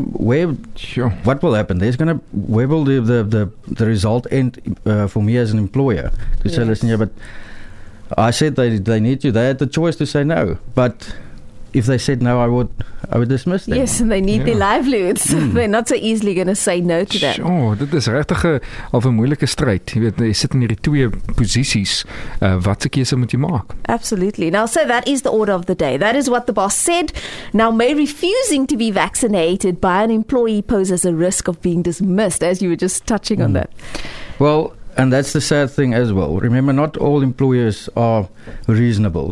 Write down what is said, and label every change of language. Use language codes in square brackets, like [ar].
[en] What will happen? Where will the result end for me as an employer? To say, listen, yeah, but I said they need to. They had the choice to say no, but if they said no, I would dismiss them. Yes, and they need their livelihoods. They're not so easily going to say no to that. [af] Sure, dit is regtig 'n moeilike stryd. Jy weet, jy sit in hierdie twee posisies. Watse keuse moet jy maak? [en] Absolutely. Now, so that is the order of the day. That is what the boss said. Now, may refusing to be vaccinated by an employee poses a risk of being dismissed, as you were just touching on that. Well, And that's the sad thing as well. Remember, not all employers are reasonable.